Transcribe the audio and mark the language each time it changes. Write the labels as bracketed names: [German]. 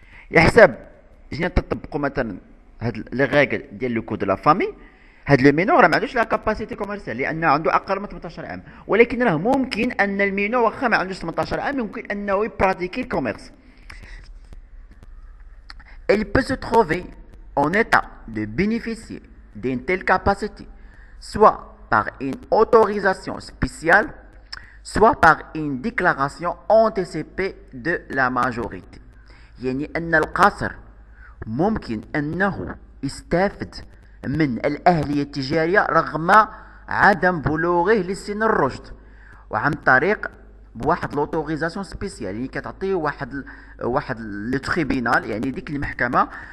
[Arabic] يحسب جينا تطبقوا مثلا هاد لي غيغل ديال لو كود لا فامي، هاد لو مينور راه ما عندوش لا كاباسيتي كوميرسيال لان عنده اقل من 18 عام، ولكن راه ممكن ان المينور واخا ما عندوش 18 عام يمكن انه يبراتيكي الكوميرس. [French] Il peut se trouver en état de bénéficier d'une telle capacité soit par une autorisation spéciale soit par une déclaration anticipée de la majorité. [Arabic] يعني ان القاصر ممكن انه يستافد من الاهليه التجاريه رغم عدم بلوغه لسن الرشد، وعن طريق بواحد لوتوريزاسيون سبيسيال، يعني كتعطيه واحد لو تريبينال، يعني ديك المحكمه